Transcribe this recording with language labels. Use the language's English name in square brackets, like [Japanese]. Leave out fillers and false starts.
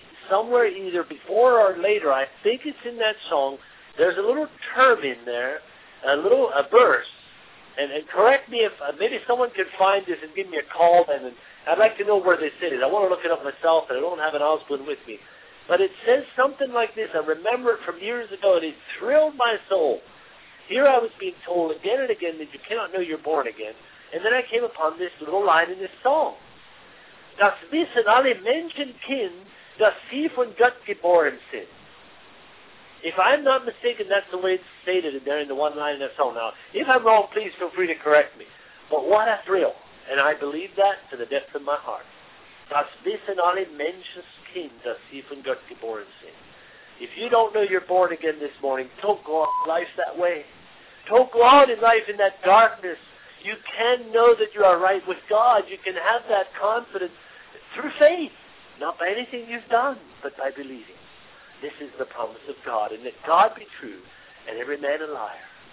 [English] Somewhere either before or later, I think it's in that song, there's a little term in there, a verse, and correct me if, maybe someone can find this and give me a call, and I'd like to know where this is. I want to look it up myself, and I don't have an Osborne with me. But it says something like this. I remember it from years ago, and it thrilled my soul. Here I was being told again and again that you cannot know you're born again. And then I came upon this little line in this song. [German] Das wissen alle Menschen kind, dass sie von Gott geboren sind. [English] If I'm not mistaken, that's the way it's stated there in the one line in that song. Now, if I'm wrong, please feel free to correct me. But what a thrill. And I believe that to the depth of my heart. [German] Das wissen alle Menschen kind, dass sie von Gott geboren sind. [English] If you don't know you're born again this morning, don't go on in life that way. Don't go on in life in that darkness. You can know that you are right with God. You can have that confidence through faith. Not by anything you've done, but by believing. This is the promise of God. And let God be true, and every man a liar.